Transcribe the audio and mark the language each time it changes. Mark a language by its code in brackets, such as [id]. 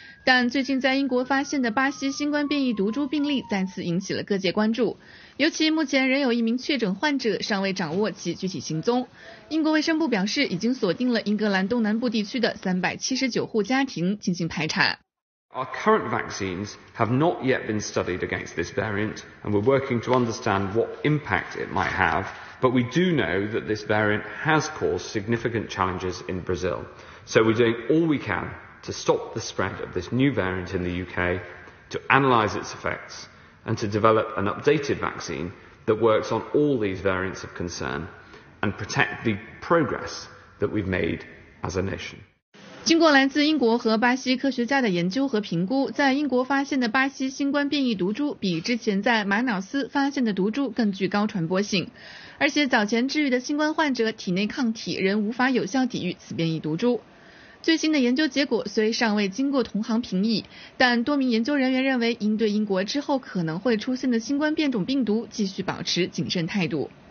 [zh] 但最近在英国发现的巴西新冠变异毒株病例再次引起了各界关注，尤其目前仍有一名确诊患者尚未掌握其具体行踪。英国卫生部表示，已经锁定了英格兰东南部地区的379户家庭进行排查。 [en] Our current vaccines have not yet been studied against this variant, and we're working to understand what impact it might have. But we do know that this variant has caused significant challenges in Brazil. So we're doing all we can. To stop the spread of this new variant in the UK, to analyse its effects, and to develop an updated vaccine that works on all these variants of concern and protect the progress that we've made as a nation. [zh] 经过来自英国和巴西科学家的研究和评估，在英国发现的巴西新冠变异毒株比之前在马瑙斯发现的毒株更具高传播性，而且早前治愈的新冠患者体内抗体仍无法有效抵御此变异毒株。最新的研究结果虽尚未经过同行评议，但多名研究人员认为应对英国之后可能会出现的新冠变种病毒继续保持谨慎态度。